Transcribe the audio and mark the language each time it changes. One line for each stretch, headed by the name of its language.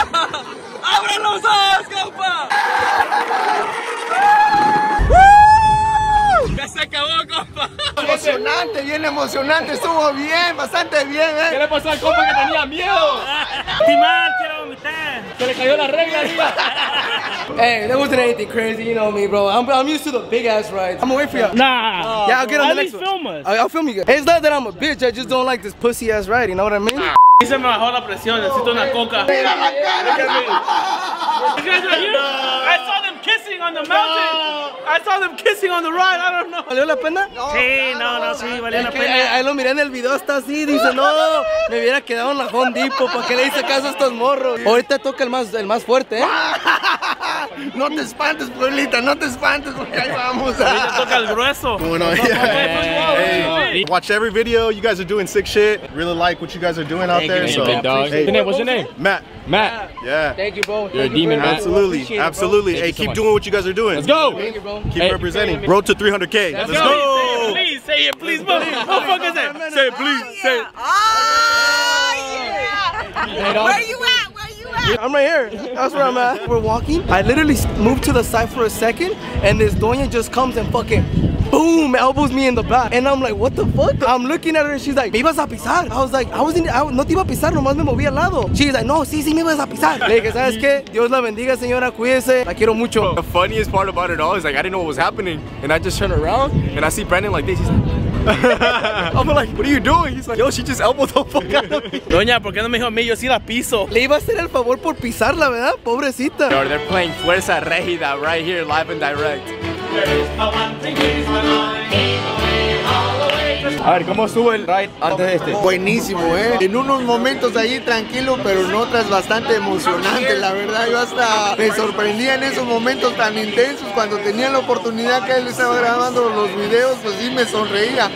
Spanish: ¡Abra los ojos, compa! Se acabó, compa. Bien emocionante. Estuvo bien, bastante bien, ¿eh? ¿Qué le pasó al compa que tenía miedo? Timar, quiero vomitar. Se le cayó la regla, diva.
English: Hey, that wasn't anything crazy, you know me, bro. I'm used to the big ass rides. I'ma wait for you. Nah. Yeah, I'll get on the next one. At least film us. I'll film you guys. It's not that I'm a bitch, I just don't like this pussy ass ride, you know what I mean?
Spanish: Dice me bajó la presión, necesito una coca. Mira la cara.
English: You guys are here? No. I saw them kissing on the mountain. No. I saw them kissing on the ride. I don't know.
Spanish: ¿Valió la pena? No, sí, no, sí, valió la pena. Ahí lo miré en el video, está así, dice, no, me hubiera quedado en la Home Depot, ¿para qué le hice caso a estos morros? Ahorita toca el más fuerte, No te espantes, pueblita, no te espantes, porque ahí vamos. Toca el grueso.
English: Bueno, watch every video, you guys are doing sick shit. Really like what you guys are doing out there. Thank you, big dog. Hey. What's your name? Matt. Matt. Yeah. Thank you, bro. You're a demon, man. Absolutely. Absolutely. Hey, keep doing what you guys are doing. Let's go. Thank you, bro. Keep representing. Road to 300K. Let's go. Say it, please. Say it, please. What the fuck is that? Say it, please. Say it. Oh, yeah. Where you at? I'm right here. That's where I'm at. We're walking. I literally moved to the side for a second, and this doña just comes and fucking boom, elbows me in the back. And I'm like, what the fuck? I'm looking at her, and she's like,
Spanish: me ibas a pisar.
English: I was like,
Spanish: no te iba a pisar, nomás me moví al lado.
English: She's like,
Spanish: no, sí, me ibas a pisar. Le dije, ¿sabes qué? Dios la bendiga, señora, cuídese. La quiero mucho.
English: The funniest part about it all is like, I didn't know what was happening. And I just turn around, and I see Brandon like this. He's like, I'm like, what are you doing? He's like, yo, she just elbowed the fuck out of me.
Spanish: Doña, ¿por qué no me dijo a mí? Yo sí la piso. Le iba a hacer el favor por pisarla, ¿verdad? Pobrecita.
English: Yo, they're playing Fuerza Regida right here, live and direct.
Spanish: A ver, ¿cómo sube el ride antes de este? Buenísimo, ¿eh? En unos momentos ahí tranquilo, pero en otras bastante emocionante. La verdad, yo hasta me sorprendía en esos momentos tan intensos. Cuando tenía la oportunidad que él estaba grabando los videos, pues sí me sonreía.